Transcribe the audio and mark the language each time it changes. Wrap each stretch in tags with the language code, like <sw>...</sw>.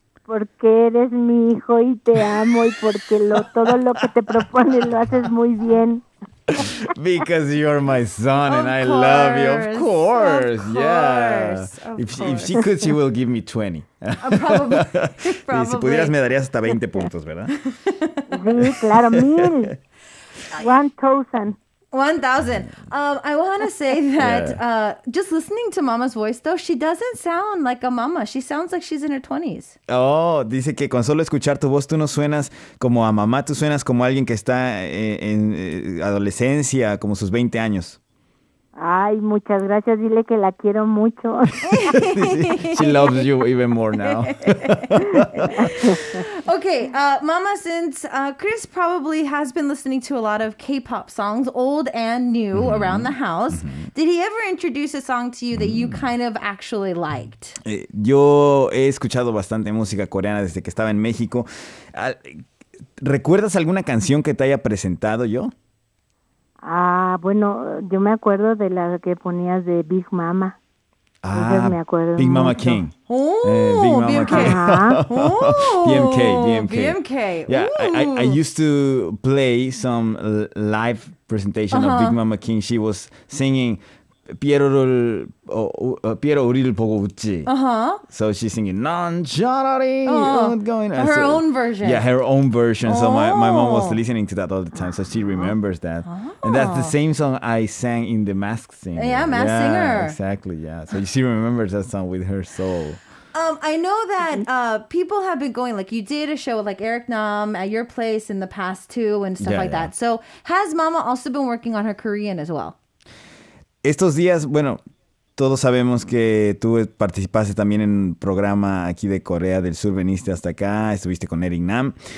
<es>Porque eres mi hijo y te amo y porque todo lo que te propones lo haces muy bien.</es> <en>Because you're my son and I love you. Of course. Yes. If she could, she will give me 20. Probably.</en> <es>Si pudieras, me darías hasta 20 puntos, ¿verdad? Sí, claro, 1,000. 1,000.</es> <en>1,000. I want to say that just listening to Mama's voice, though, she doesn't sound like a mama. She sounds like she's in her 20s.</en> <es>Oh, dice que con solo escuchar tu voz, tú no suenas como a mamá. Tú suenas como alguien que está en adolescencia, como sus 20 años. Ay, muchas gracias. Dile que la quiero mucho.</es> <en>She loves you even more now. Okay, Mama, since Chris probably has been listening to a lot of K-pop songs, old and new, mm-hmm. around the house, mm-hmm. did he ever introduce a song to you that you kind of actually liked?</en> <es>Yo he escuchado bastante música coreana desde que estaba en México. ¿Recuerdas alguna canción que te haya presentado yo? Ah, bueno, yo me acuerdo de la que ponías de Big Mama. Ah, me acuerdo Big Mama mucho. King.</es> <en>Oh, Big Mama BMK. King. BMK, BMK. Yeah, I used to play some live presentation of Big Mama King. She was singing Piero Uriel Pogo Uchi. So she's singing Nanjarari. Her own version. Yeah, her own version. Oh. So my mom was listening to that all the time. So she remembers that. And that's the same song I sang in the Mask Singer. Yeah, Mask Singer. Exactly, yeah. So she remembers that song with her soul. I know that people have been going, like you did a show with like Eric Nam at your place in the past too and stuff that. So has Mama also been working on her Korean as well?</en> <es>Estos días, bueno, todos sabemos que tú participaste también en un programa aquí de Corea del Sur, viniste hasta acá, estuviste con Eric Nam.</es>